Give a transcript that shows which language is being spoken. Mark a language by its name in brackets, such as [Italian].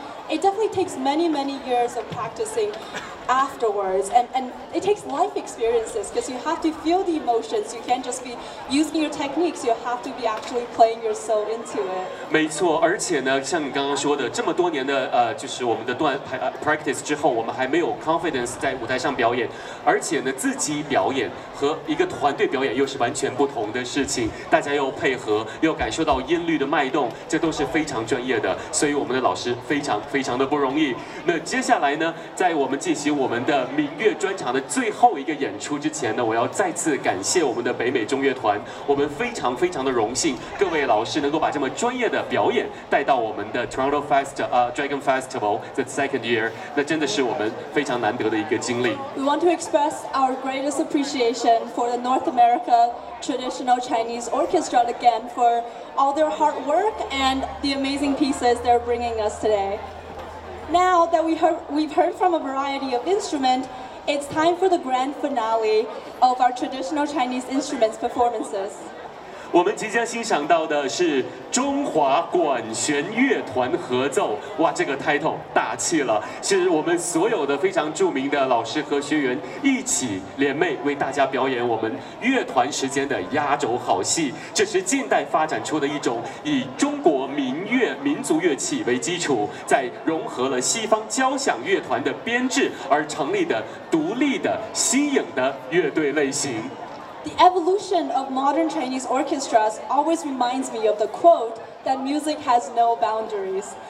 [English] It definitely takes many, many years of practicing afterwards, and it takes life experiences, because you have to feel the emotions. You can't just be using your techniques, you have to be actually playing your soul into it. [Chinese] 没错，而且呢，像你刚刚说的，这么多年的就是我们的practice 之后，我们还没有 confidence 在舞台上表演，而且呢，自己表演和一个团队表演又是完全不同的事情，大家又配合，又感受到音律的脉动，这都是非常专业的，所以我们的老师非常非常的不容易。那接下来呢，在我们进行我们的闽乐专场的最后一个演出之前呢，我要再次感谢我们的北美中乐团，我们非常非常的荣幸各位老师能够把这么专业的表演带到我们的 Toronto Dragon Festival [English] the second year, [Chinese] 那真的是我们非常难得的一个经历。 [English] We want to express our greatest appreciation for the North America Traditional Chinese Orchestra again for all their hard work and the amazing pieces they're bringing us today. Now that we've heard from a variety of instruments, it's time for the grand finale of our traditional Chinese instruments performances. [Chinese] 我们即将欣赏到的是中华管弦乐团合奏。哇，这个 title 大气了，是我们所有的非常著名的老师和学员一起联袂为大家表演我们乐团时间的压轴好戏。这是近代发展出的一种以中国民乐民族乐器为基础，在融合了西方交响乐团的编制而成立的独立的新颖的乐队类型。 [English] The evolution of modern Chinese orchestras always reminds me of the quote that music has no boundaries.